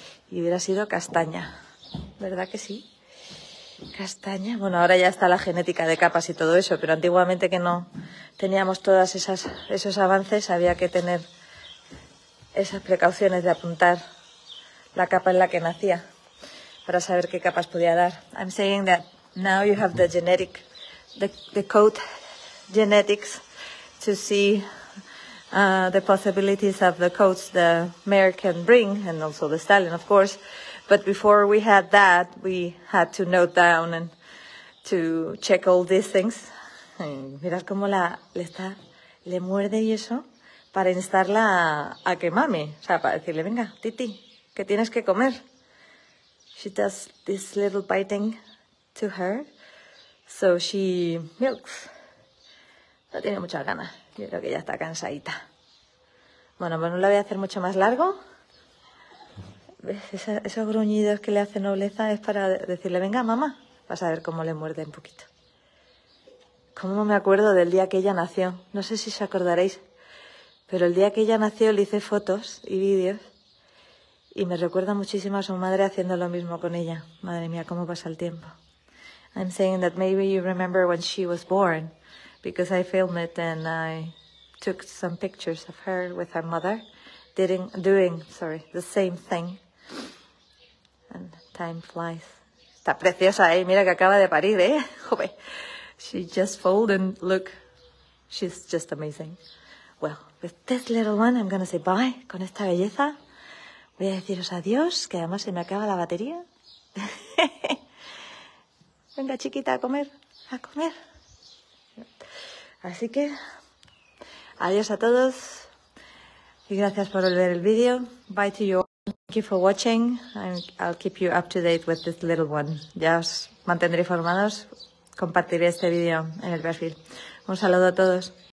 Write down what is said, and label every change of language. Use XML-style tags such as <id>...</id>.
<es>Y hubiera sido castaña. ¿Verdad que sí? Castaña. Bueno, ahora ya está la genética de capas y todo eso, pero antiguamente que no teníamos todos esos avances, había que tener esas precauciones de apuntar la capa en la que nacía para saber qué capas podía dar.</es> <en>I'm saying that now you have the genetic, the coat genetics to see the possibilities of the coats the mare can bring, and also the stallion, of course. But before we had that, we had to note down and to check all these things.</en> <es>Mirad cómo le muerde y eso, para instarla a que mame. O sea, para decirle, venga, Titi, que tienes que comer.</es> <en>She does this little biting to her, so she milks.</en> <es>No tiene mucha gana. Yo creo que ya está cansadita. Bueno, pues no la voy a hacer mucho más largo. ¿Ves? Esos gruñidos que le hace nobleza es para decirle, venga, mamá. Vas a ver cómo le muerde un poquito. ¿Cómo no me acuerdo del día que ella nació? No sé si os acordaréis, pero el día que ella nació le hice fotos y vídeos y me recuerda muchísimo a su madre haciendo lo mismo con ella. Madre mía, cómo pasa el tiempo.</es> <en>I'm saying that maybe you remember when she was born, because I filmed it and I took some pictures of her with her mother doing the same thing. And time flies.</en> <es>Está preciosa, ¿eh? Mira que acaba de parir, ¿eh? Joder.</es> <en>She just fold and look. She's just amazing. Well, with this little one, I'm gonna say bye.</en> <es>Con esta belleza, voy a deciros adiós, que además se me acaba la batería. Venga, chiquita, a comer. A comer. Así que adiós a todos y gracias por ver el vídeo.</es> <en>Bye to you all. Thank you for watching. I'll keep you up to date with this little one.</en> <es>Ya os mantendré informados. Compartiré este vídeo en el perfil. Un saludo a todos.</es>